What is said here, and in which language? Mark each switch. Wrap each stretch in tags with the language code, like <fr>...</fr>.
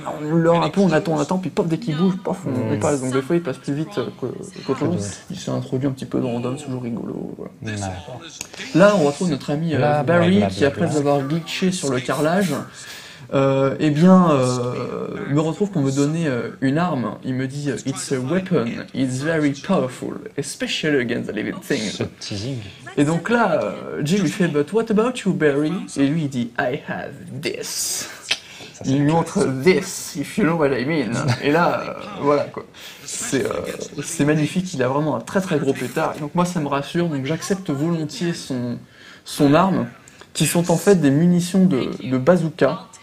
<fr>On attend, puis pop, dès qu'il bouge, pof, on passe. Donc des fois, il passe plus vite qu'autre chose. Il s'est introduit un petit peu de random, c'est toujours rigolo. Voilà. Là, on retrouve notre ami Barry qui, après avoir glitché sur le carrelage, me retrouve pour me donner une arme. Il me dit</fr> <en>« It's a weapon, it's very powerful, especially against the living things. »</en> <fr>Ce teasing. Et donc là, Jill lui fait «</fr> <en>But what about you, Barry ?»</en> <fr>Et lui, il dit «</fr> <en>I have this.</en> <fr>» Il lui montre «</fr> <en>This, if you know what I mean.</en> <fr>» Et là, voilà quoi. C'est magnifique, il a vraiment un très très gros pétard. Donc moi, ça me rassure, donc j'accepte volontiers son arme, qui sont en fait des munitions de bazooka.</fr>